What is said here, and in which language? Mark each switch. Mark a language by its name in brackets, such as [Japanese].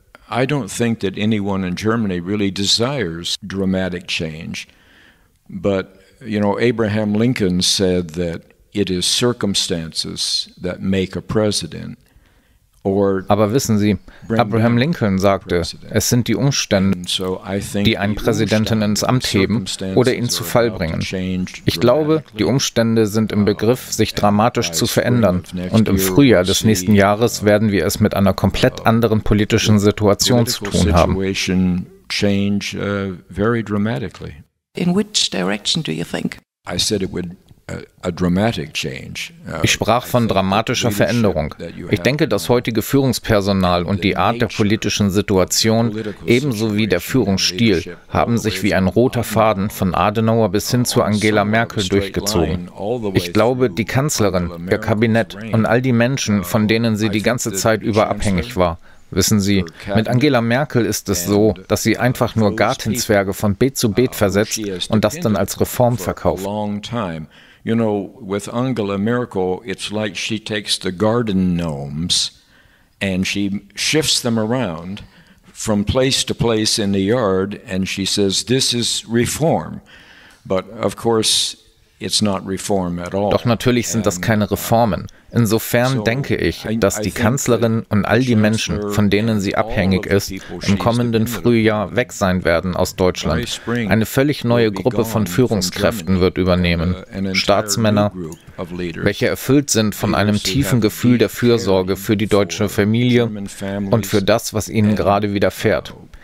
[English] I don't think that anyone in Germany really desires dramatic change, but you know, Abraham Lincoln said that it is circumstances that make a president. [German] Aber wissen Sie, Abraham Lincoln sagte, es sind die Umstände, die einen Präsidenten ins Amt heben oder ihn zu Fall bringen. Ich glaube, die Umstände sind im Begriff, sich dramatisch zu verändern. Und im Frühjahr des nächsten Jahres werden wir es mit einer komplett anderen politischen Situation zu tun haben. [English] In which direction do you think? I said it would a dramatic change. [German] Ich sprach von dramatischer Veränderung. Ich denke, das heutige Führungspersonal und die Art der politischen Situation, ebenso wie der Führungsstil, haben sich wie ein roter Faden von Adenauer bis hin zu Angela Merkel durchgezogen. Ich glaube, die Kanzlerin, ihr Kabinett und all die Menschen, von denen sie die ganze Zeit über abhängig war. Wissen Sie, mit Angela Merkel ist es so, dass sie einfach nur Gartenzwerge von Beet zu Beet versetzt und das dann als Reform verkauft. [English] You know, with Angela Merkel, it's like she takes the garden gnomes and she shifts them around from place to place in the yard and she says, this is reform. But of course, it's not reform at all. [German] Doch natürlich sind das keine Reformen. Insofern denke ich, dass die Kanzlerin und all die Menschen, von denen sie abhängig ist, im kommenden Frühjahr weg sein werden aus Deutschland. Eine völlig neue Gruppe von Führungskräften wird übernehmen. Staatsmänner, welche erfüllt sind von einem tiefen Gefühl der Fürsorge für die deutsche Familie und für das, was ihnen gerade widerfährt.